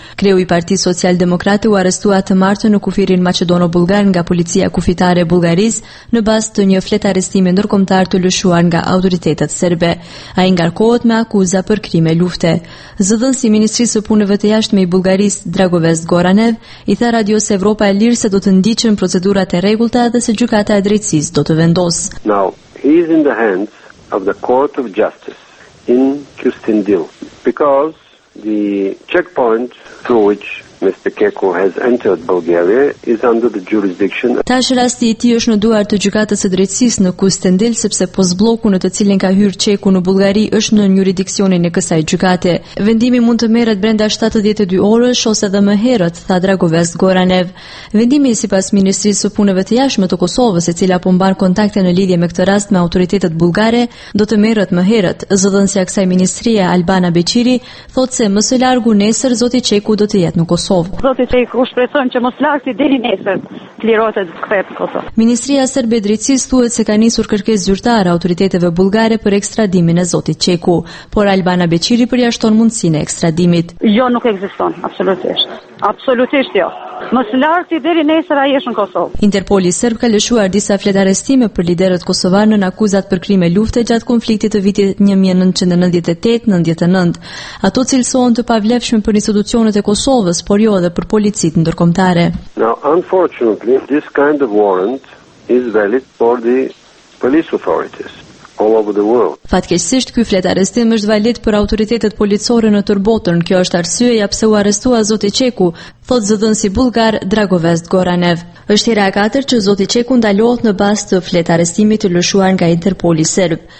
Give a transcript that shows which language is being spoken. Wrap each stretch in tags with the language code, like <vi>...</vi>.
<sq>Kreu i Partisë Social-Demokrate u arrestua të martën në kufirin maqedono-bullgar nga policia kufitare e Bullgarisë në bazë të një fletarestimi ndërkombëtar të lëshuar nga autoritetet serbe. Ai ngarkohet me akuza për krime lufte. Zëdhënës i Ministrisë së Punëve të Jashtme i Bullgarisë, Dragoves Goranev, i tha Radios Evropa e Lirë se do të ndiqen procedurat e rregullta dhe se gjykata e drejtësisë do vendos.</sq> <en>Now he is in the hands of the Court of Justice in Qustendil because the checkpoint through which Mr. Keku has entered Bulgaria is under the jurisdiction.</en> <sq>Tash rasti i tij është në duart të gjykatës së drejtësisë në Qustendil sepse postbloku në të cilin ka hyrë Çeku në Bullgari është në juridiksionin e kësaj gjykate. Vendimi mund të merret brenda 72 orësh ose edhe më herët, tha Dragoves Goranev. Vendimi sipas Ministrisë së Punëve të Jashtme të Kosovës, e cila po mban kontakte në lidhje me këtë rast me autoritetet bullgare, do të merret më herët. Zëdhënësja kësaj ministrie Albana Beqiri thotë se më së largu nesër zoti Çeku do të jetë në Kosovë. Zoti Çeku shpresojnë që mos lartë deri nesër lirohet kthehet Kosovë. Ministria e Serbisë drejtësisë thuhet se ka nisur kërkesë zyrtare autoriteteve bullgare për ekstradimin e zotit Çeku, por Albana Beqiri përjashton mundësinë e ekstradimit. Jo, nuk ekziston, absolutisht. Absolutisht jo. Mos lartë deri nesër ai është në Kosovë. Interpoli serb ka lëshuar disa fletarestime për liderët kosovarë nën akuzat për krime lufte gjatë konfliktit të vitit 1998-99, ato cilësohen të pavlefshme për institucionet e Kosovës, por jo edhe për policitë ndërkombëtare.</sq> <en>Now unfortunately this kind of warrant is valid for the police authorities.</en> <sq>Fatkeqësisht ky fletarestim është valid për autoritetet policore në tërë botën. Kjo është arsyeja pse u arrestua zoti Çeku, thot zëdhënësi bullgar Dragoves Goranev. Është hera e katërt që zoti Çeku ndalohet në bazë të fletarestimit të lëshuar nga Interpoli serb.</sq>